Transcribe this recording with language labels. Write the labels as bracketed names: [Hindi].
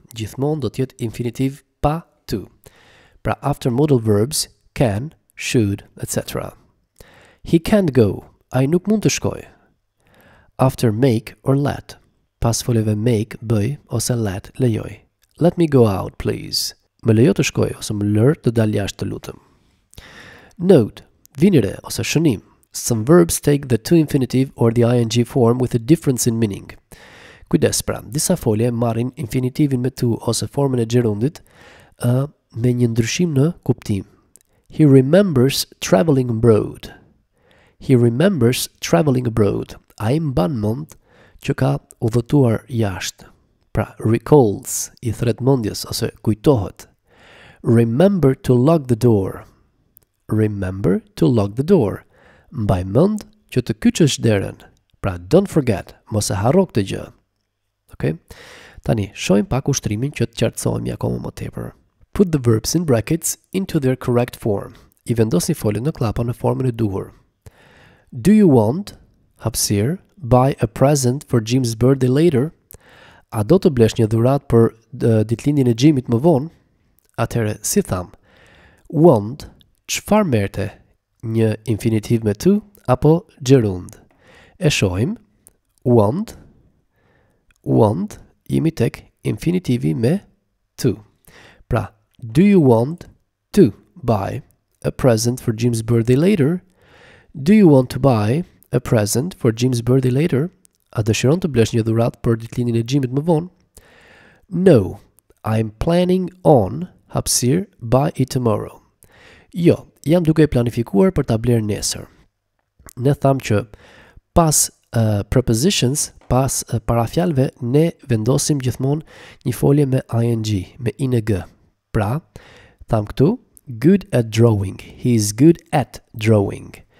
[Albanian] Gjithmonë do t'jetë infinitiv pa tu. Pra [English] after modal verbs, can, should, etc. He can't go, [Albanian] ai nuk mund të shkoj. [English] After make or let, [Albanian] pas foljeve make, bëj, ose let, lejoj. [English] Let me go out, please. [Albanian] Më lejo të shkoj, ose më lër të dal jashtë të lutëm. Note, vinire, ose shënim. [English] Some verbs take the to infinitive or the ing form with a difference in meaning. [Albanian] Kujdes pra, disa folje marrin infinitivin me tu ose formën e gjerundit me një ndryshim në kuptim. [English] He remembers traveling abroad. He remembers traveling abroad. [Albanian] Ai mban mend që ka udhëtuar jashtë. Pra, recalls, i thret mendjes ose kujtohet. [English] Remember to lock the door. Remember to lock the door. [Albanian] Mbaj mend që të kyçësh derën. Pra, [English] don't forget, [Albanian] mos e harro këtë gjë. [English] Okay? [Albanian] Tani, shohim pak ushtrimin që të qartësohemi akoma më tepër. [English] Put the verbs in brackets into their correct form. [Albanian] I vendosni foljen në klapa në formën e duhur. [English] Do you want, [Albanian] hapësirë, [English] buy a present for Jim's birthday later? [Albanian] A do të blesh një dhuratë për ditëlindjen e Jimit më vonë? Atëherë, si tham, want, çfarë merrte? Një infinitiv me to apo gjerund? E shohim, want, want, jemi tek infinitivi me to. [English] Pra, do you want to buy a present for Jim's birthday later? Do you want to buy a present for Jim's birthday later? [Albanian] A dëshiron të blesh një dhuratë për ditëlindjen e Jimit më vonë? [English] No, I'm planning on, hapësirë, buy it tomorrow. [Albanian] Jo, jam duke planifikuar për ta blerë nesër. Ne tham që pas prepositions, pas parafjalve, ne vendosim gjithmonë një folje me ing, me ing. Pra, tham këtu, [English] good at drawing, he is good at drawing.